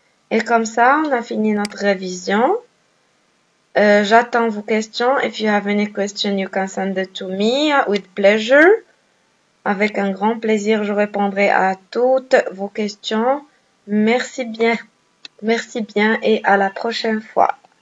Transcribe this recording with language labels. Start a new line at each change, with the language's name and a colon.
French: Et comme ça, on a fini notre révision. J'attends vos questions.
English: If you have any question, you can send it to me with pleasure.
French: Avec un grand plaisir, je répondrai à toutes vos questions. Merci bien et à la prochaine fois.